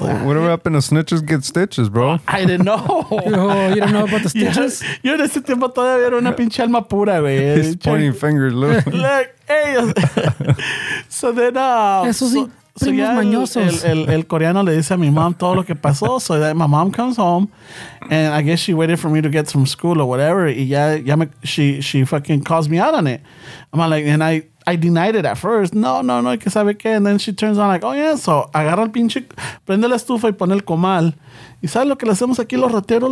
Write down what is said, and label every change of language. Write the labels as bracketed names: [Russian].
[English] Whatever happened to snitches get stitches, bro? I didn't know. You don't know about the stitches? [Spanish] Yo en ese tiempo todavía era una pinche alma pura, güey. [English] He's pointing fingers, look. Look, hey. So then, [Spanish] eso sí, so primos mañosos. El coreano le dice a mi mom todo lo que pasó. [English] So that my mom comes home, and I guess she waited for me to get from school or whatever. Y she fucking calls me out on it. I'm like, and I denied it at first. [Spanish] No, que sabe qué. [English] And then she turns on like, oh, yeah. [Spanish] So agarra el pinche, prende la estufa y pone el comal. Y sabe lo que le hacemos aquí los rateros?